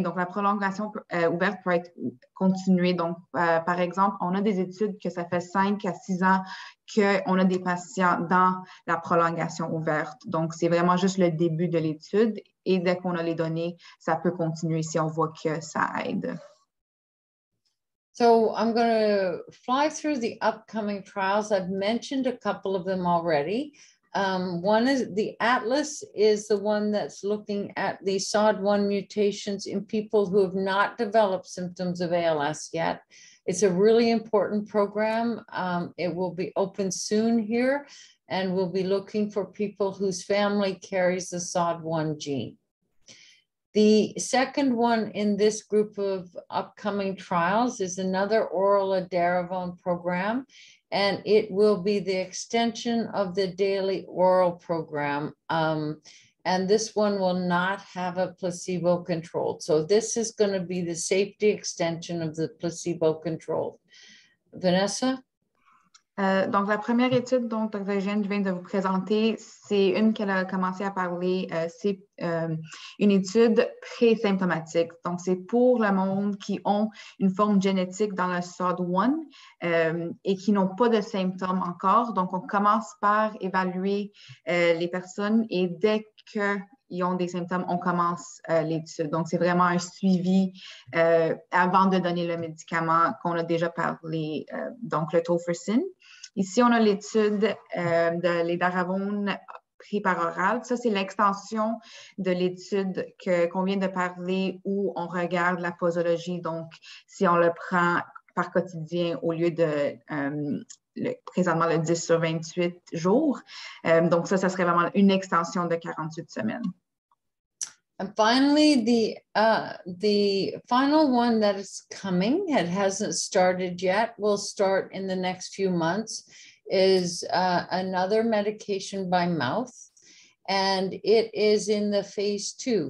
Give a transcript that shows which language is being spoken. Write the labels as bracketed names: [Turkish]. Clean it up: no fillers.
[French] Donc, la prolongation ouverte peut être continuée. Donc, par exemple, on a des études que ça fait 5 à 6 ans qu'on a des patients dans la prolongation ouverte. Donc, c'est vraiment juste le début de l'étude. Et dès qu'on a les données, ça peut continuer si on voit que ça aide. [English] So I'm going to fly through the upcoming trials. I've mentioned a couple of them already. One is the ATLAS is the one that's looking at the SOD1 mutations in people who have not developed symptoms of ALS yet. It's a really important program. It will be open soon here, and we'll be looking for people whose family carries the SOD1 gene. The second one in this group of upcoming trials is another oral edaravone program, and it will be the extension of the daily oral program. And this one will not have a placebo control. So this is going to be the safety extension of the placebo control. Vanessa? [French] Donc, la première étude dont Dr. Jane vient de vous présenter, c'est une qu'elle a commencé à parler, c'est une étude pré-symptomatique. Donc, c'est pour le monde qui ont une forme génétique dans le SOD1 et qui n'ont pas de symptômes encore. Donc, on commence par évaluer les personnes et dès qu'ils ont des symptômes, on commence l'étude. Donc, c'est vraiment un suivi avant de donner le médicament qu'on a déjà parlé, donc le tofersine. Ici, on a l'étude de l'edaravone pris par oral. Ça, c'est l'extension de l'étude qu'on vient de parler où on regarde la posologie, donc si on le prend par quotidien au lieu de présentement le 10 sur 28 jours. Donc ça serait vraiment une extension de 48 semaines. [English] And finally, the final one that is coming, it hasn't started yet, will start in the next few months. is another medication by mouth, and it is in the phase two.